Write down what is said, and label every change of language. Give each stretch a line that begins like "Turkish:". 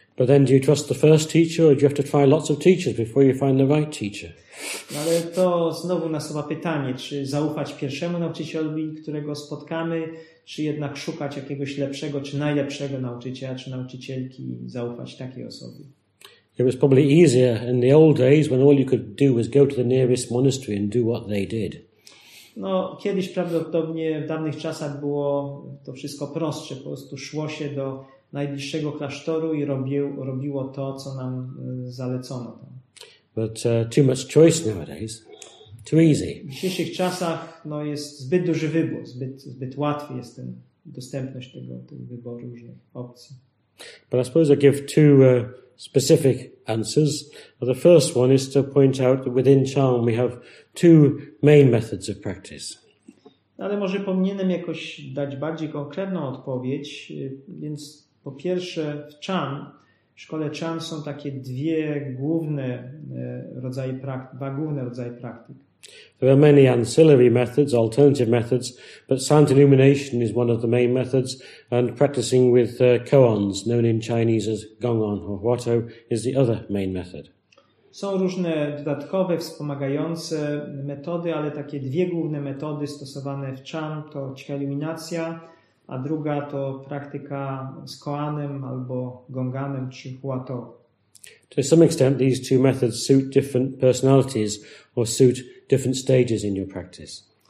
English: But then do you trust the first teacher, or do you have to try lots of teachers before you find the right teacher?
Polish: No, ale to znowu nasuwa pytanie, czy zaufać pierwszemu nauczycielowi, którego spotkamy, czy jednak szukać jakiegoś lepszego, czy najlepszego nauczyciela, czy nauczycielki i zaufać takiej osobie.
English: It was probably easier in the old days when all you could do was go to the nearest monastery and do what they did.
Polish: No, kiedyś prawdopodobnie w dawnych czasach było to wszystko prostsze. Po prostu szło się do najbliższego klasztoru i robiło to, co nam zalecono.
English: But too much choice nowadays. Too easy.
Polish: W dzisiejszych czasach no, jest zbyt duży wybór, zbyt łatwy jest ten dostępność tego wyboru różnych opcji.
English: But I suppose I give two specific answers. The first one is to point out that within Charm we have two main methods of practice.
Polish: Ale może powinienem jakoś dać bardziej konkretną odpowiedź, więc po pierwsze w Charm, w szkole Charm są takie dwa główne rodzaje praktyk.
English: There are many ancillary methods, alternative methods, but silent illumination is one of the main methods, and practicing with koans, known in Chinese as gongon or huato, is the other main method.
Polish: Są różne dodatkowe, wspomagające metody, ale takie dwie główne metody stosowane w Charm to cicha iluminacja, a druga to praktyka z koanem albo gonganem czy huato.
English: To some extent, these two methods suit different personalities or suit different stages in your practice.